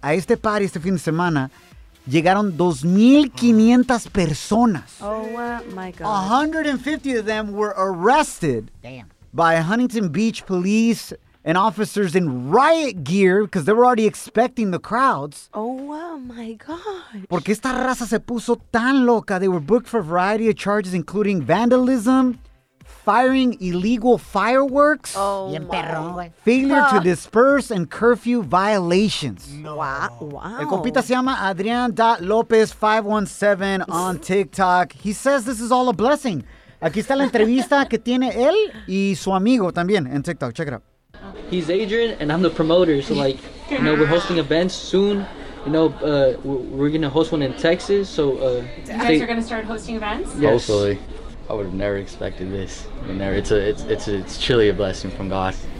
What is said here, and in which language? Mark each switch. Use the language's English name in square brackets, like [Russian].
[Spanish] A este party, este fin de semana, llegaron 2,500 personas. [English] Oh, wow. My God. 150 of them were arrested. Damn. By Huntington Beach police and officers in riot gear because they were already expecting the crowds. Oh, wow, my God. [Spanish] Porque esta raza se puso tan loca. [English] They were booked for a variety of charges, including vandalism, firing illegal fireworks, failure to disperse, and curfew violations. No. Wow. [Spanish] El compita se llama Adrian.Lopez517 on TikTok. [English] He says this is all a blessing. [Spanish] Aquí está la entrevista que tiene él y su amigo también en TikTok. [English] Check it out. He's Adrian, and I'm the promoter, so, like, you know, we're hosting events soon. You know, we're going to host one in Texas, so... You guys are going to start hosting events? Yes. Hopefully. I would have never expected this. It's truly a blessing from God.